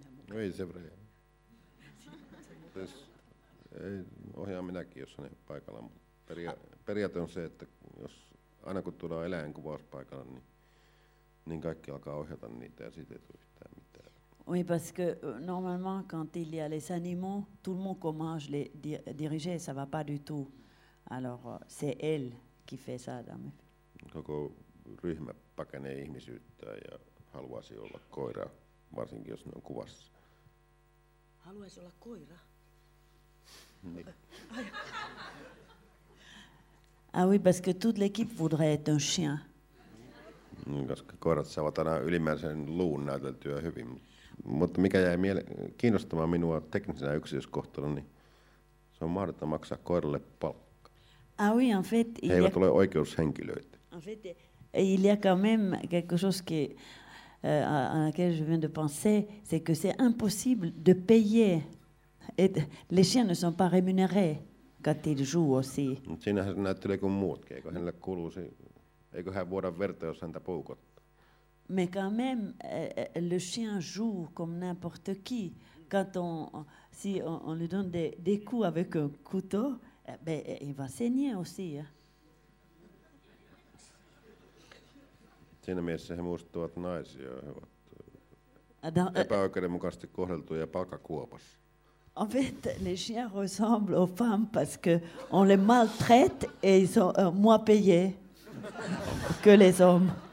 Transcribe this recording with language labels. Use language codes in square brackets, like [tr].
[fr] Oui, c'est vrai. [fi] Ei, ohjaan minäkin, jos on paikalla, mutta periaate on se, että jos aina kun tuodaan eläinkuvauspaikalla, niin kaikki alkaa ohjata niitä ja siitä ei tule yhtään mitään. [fr] Oui, parce que normalement, quand il y a les animaux, tout le monde commence à les diriger, ça ne va pas du tout. Alors, c'est elle qui fait ça. [fi] Koko ryhmä pakenee ihmisyyttä ja haluaisi olla koira, varsinkin jos ne on kuvassa. Haluaisi olla koira? [fr] Ah oui, parce que toute l'équipe voudrait être un chien. [fi] Koska koirat saavat aina ylimääräisen luun näyteltyä hyvin. Mutta mikä jäi kiinnostamaan minua teknisenä yksityiskohtana, niin se on mahdollista maksaa koiralle palkkaa. [fr] Ah oui, en fait, [fi] he eivät ole oikeushenkilöitä. [fr] En fait, il y a quand même quelque chose qui, à laquelle je viens de penser, c'est que c'est impossible de payer. Et les chiens ne sont pas rémunérés quand ils jouent aussi. [fi] Mutta siinähän se näyttelee kuin muutkin. Eikö hänelle kuuluisi, eikö hän vuoda verta, jos häntä puukottaa? [fr] Mais quand même, le chien joue comme n'importe qui. Quand on, si on lui donne des coups avec un couteau, ben, il va saigner aussi. [fi] Siinä mielessä he muistuvat naisia. He ovat epäoikeudenmukaisesti kohdeltuja palkakuopassa. [fr] En fait, les chiens ressemblent aux femmes parce que on les maltraite et ils sont moins payés que les hommes.